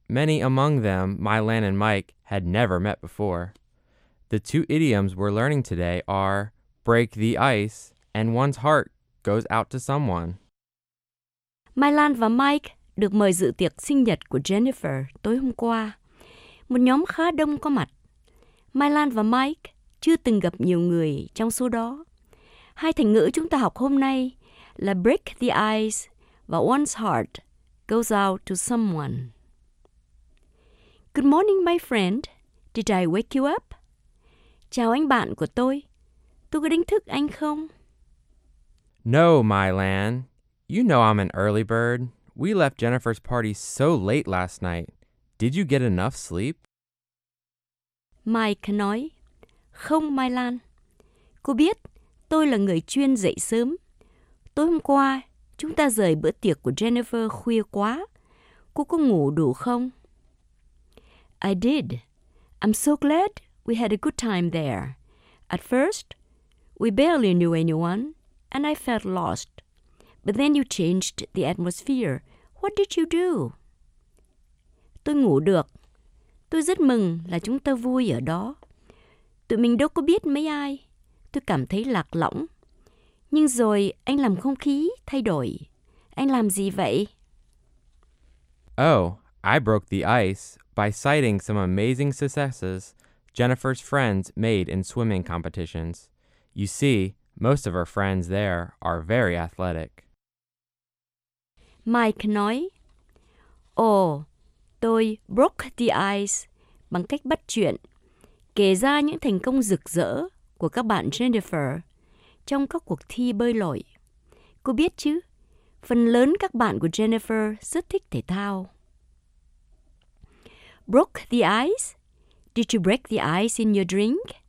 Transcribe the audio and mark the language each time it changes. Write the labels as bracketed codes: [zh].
[en] Many among them, Mylan and Mike, had never met before. The two idioms we're learning today are break the ice and one's heart goes out to someone. [vi] Mylan và Mike được mời dự tiệc sinh nhật của Jennifer tối hôm qua. Một nhóm khá đông có mặt. Mylan và Mike chưa từng gặp nhiều người trong số đó. Hai thành ngữ chúng ta học hôm nay là [en] break the ice [vi] và [en] one's heart goes out to someone. Good morning, my friend. Did I wake you up? [vi] Chào anh bạn của tôi. Tôi có đánh thức anh không? [en] No, Mylan. You know I'm an early bird. We left Jennifer's party so late last night. Did you get enough sleep? [vi] Mike nói, không, Mylan. Cô biết, tôi là người chuyên dậy sớm. Tối hôm qua, chúng ta rời bữa tiệc của Jennifer khuya quá. Cô có ngủ đủ không? [en] I did. I'm so glad we had a good time there. At first, we barely knew anyone, and I felt lost. But then you changed the atmosphere. What did you do? [vi] Tôi ngủ được. Tôi rất mừng là chúng ta vui ở đó. Tụi mình đâu có biết mấy ai. Tôi cảm thấy lạc lõng. Nhưng rồi anh làm không khí thay đổi. Anh làm gì vậy? [en] Oh, I broke the ice by citing some amazing successes Jennifer's friends made in swimming competitions. You see, most of her friends there are very athletic. [vi] Mike nói, Oh, tôi broke the ice bằng cách bắt chuyện, kể ra những thành công rực rỡ của các bạn Jennifer trong các cuộc thi bơi lội. Cô biết chứ, phần lớn các bạn của Jennifer rất thích thể thao. [en] Broke the ice? Did you break the ice in your drink?